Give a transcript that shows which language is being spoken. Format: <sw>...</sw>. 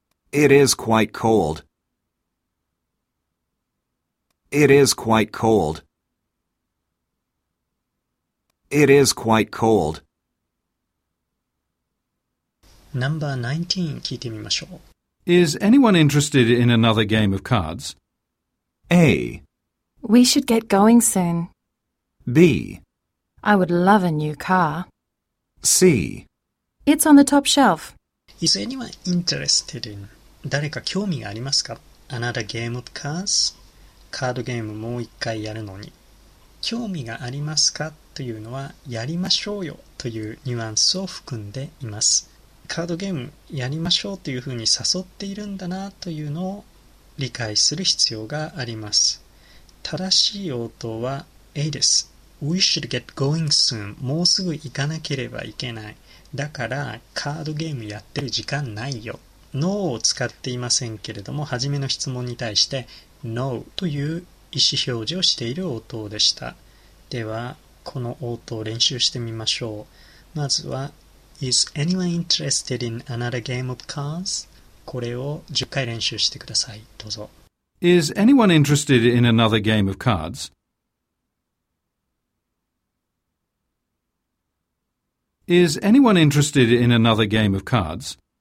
<en>It is quite cold. It is quite cold. It is quite cold. Number 19,</en> <ja>聞いてみましょう。</ja> <en>Is anyone interested in another game of cards? A. We should get going soon. B. I would love a new car. C. It's on the top shelf. Is anyone interested in?</en> <ja>誰か興味がありますか?</ja> <en>Another game of cards?</en> <ja>カードゲームもう一回やるのに。興味がありますか?というのはやりましょうよ。というニュアンスを含んでいます。カードゲームやりましょうというふうに誘っているんだなというのを理解する必要があります。正しい応答は A です。</ja> <en>We should get going soon。</en> <ja>もうすぐ行かなければいけない。だからカードゲームやってる時間ないよ。 No を使っていませんけれども、初めの質問に対して No という意思表示をしている応答でした。ではこの応答を練習してみましょう。まずは</ja> <en>Is anyone interested in another game of cards?</en> <ja>これを10回練習してください。どうぞ。</ja> <en>Is anyone interested in another game of cards? Is anyone interested in another game of cards?</en>